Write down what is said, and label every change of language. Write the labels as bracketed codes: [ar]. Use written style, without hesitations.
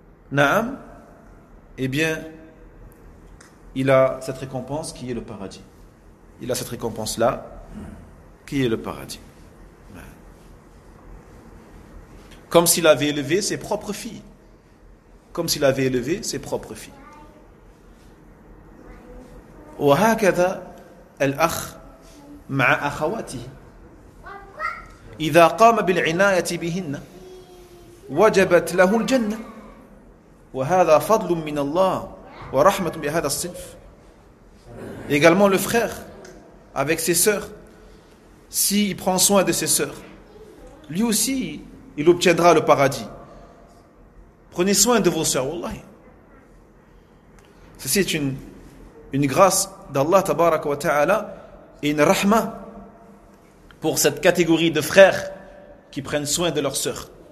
[fr] Naam, eh bien, il a cette récompense qui est le paradis. Il a cette récompense-là qui est le paradis. Comme s'il avait élevé ses propres filles. Comme s'il avait élevé ses propres filles. [ar] وهكذا الأخ مع أخواته إذا قام بالعناية بهن وجبت له الجنة وهذا فضل من الله ورحمة بهذا الصنف. [fr] Également le frère avec ses sœurs, s'il prend soin de ses sœurs, lui aussi il obtiendra le paradis. Prenez soin de vos sœurs, wallahi. Ceci est une grâce d'Allah [ar] tabaraka wa ta'ala [fr] et une rahma pour cette catégorie de frères qui prennent soin de leurs sœurs.